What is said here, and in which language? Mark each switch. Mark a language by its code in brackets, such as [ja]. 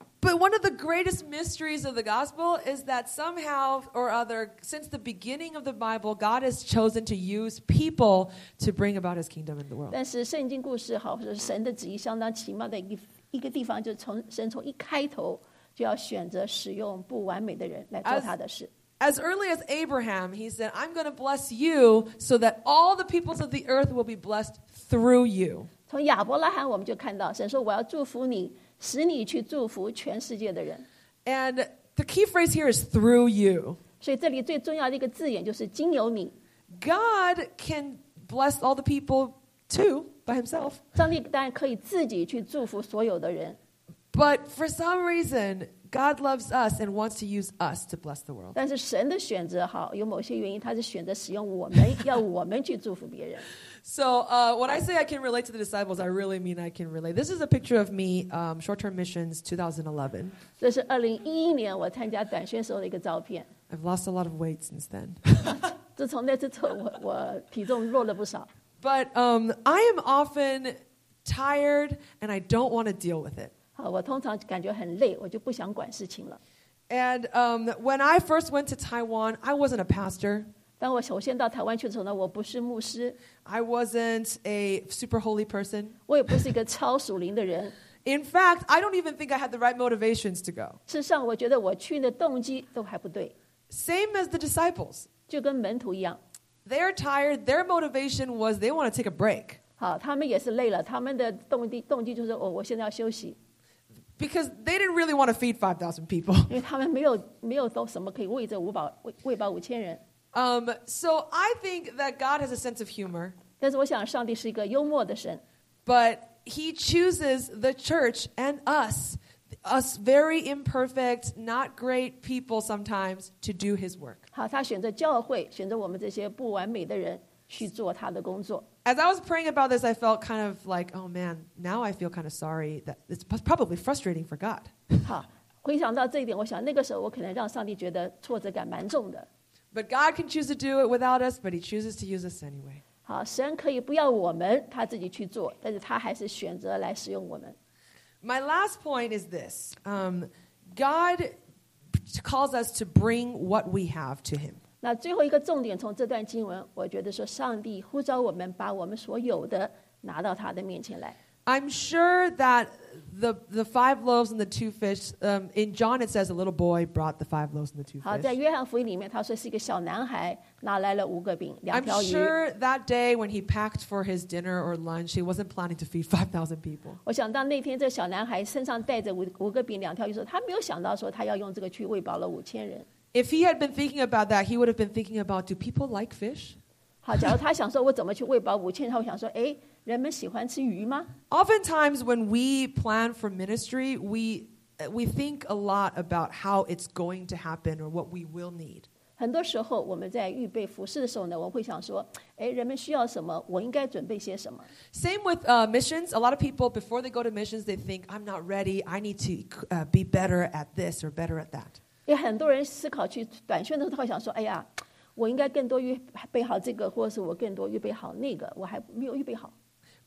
[en] But one of the greatest mysteries of the gospel is that somehow or other, since the beginning of the Bible, God has chosen to use people to bring about his kingdom in the world. [zh] 但是圣经故事好，是神的旨意相当奇妙的一个地方，就是从神从一开头。就要选择使用不完美的人来做他的事。 [en] As early as Abraham, he said, I'm going to bless you so that all the peoples of the earth will be blessed through you. [zh] 从亚伯拉罕我们就看到神说我要祝福你使你去祝福全世界的人。 [en] And the key phrase here is through you. [zh] 所以这里最重要的一个字眼就是经由你。 [en] God can bless all the people too by himself. [zh] 上帝当然可以自己去祝福所有的人。 [en] But for some reason, God loves us and wants to use us to bless the world. [zh] 但是神的选择好，有某些原因，他是选择使用我们，要我们去祝福别人。 [en] So, when I say I can relate to the disciples, I really mean I can relate. This is a picture of me, short-term missions, 2011. [zh] 这是2011年我参加短宣时候的一个照片。 [en] I've lost a lot of weight since then. [zh] 自从那次之后，我体重弱了不少。 [en] But I am often tired, and I don't want to deal with it. [zh] 我通常感觉很累，我就不想管事情了。 [en] And when I first went to Taiwan, I wasn't a pastor. [zh] 当我首先到台湾去的时候呢，我不是牧师。 [en] I wasn't a super holy person. [zh] 我也不是一个超属灵的人。 [en] In fact, I don't even think I had the right motivations to go. [zh] 事实上，我觉得我去的动机都还不对。 [en] Same as the disciples. [zh] 就跟门徒一样。 [en] They're tired. Their motivation was they want to take a break. [zh] 好，他们也是累了，他们的动机就是哦，我现在要休息。 [en] Because they didn't really want to feed 5,000 people. [zh] 因为他们没有都什么可以喂这喂饱五千人。 [en] So I think that God has a sense of humor. [zh] 但是我想上帝是一个幽默的神。 [en] But He chooses the church and us very imperfect, not great people sometimes, to do His work. [zh] 好，他选择教会，选择我们这些不完美的人去做他的工作。 [en] As I was praying about this, I felt kind of like, oh man, now I feel kind of sorry that it's probably frustrating for God. [zh] 好，回想到这一点，我想那个时候我可能让上帝觉得挫折感蛮重的。 [en] But God can choose to do it without us, but He chooses to use us anyway. [zh] 好，神可以不要我们，他自己去做，但是他还是选择来使用我们。 [en] My last point is this. God calls us to bring what we have to Him. [zh] 那最后一个重点从这段经文我觉得说上帝呼召我们把我们所有的拿到他的面前来 [en] I'm sure that the five loaves and the two fish in John it says a little boy brought the five loaves and the two fish [zh] 好在约翰福音里面他说是一个小男孩拿来了五个饼两条鱼 [en] I'm sure that day when he packed for his dinner or lunch he wasn't planning to feed 5,000 people [zh] 我想到那天这小男孩身上带着五个饼两条鱼他没有想到说他要用这个去喂饱了五千人 [en] If he had been thinking about that, he would have been thinking about, do people like fish? [zh] 好，假如他想说我怎么去喂饱五千，他会想说，哎，人们喜欢吃鱼吗？ [en] Oftentimes, when we plan for ministry, we think a lot about how it's going to happen or what we will need. [zh] 很多时候我们在预备服事的时候呢，我会想说，哎，人们需要什么，我应该准备些什么。 [en] Same with missions. A lot of people before they go to missions, they think, I'm not ready. I need to be better at this or better at that. [zh] 也很多人思考去短宣的时候，他会想说：“哎呀，我应该更多预备好这个，或者是我更多预备好那个，我还没有预备好。”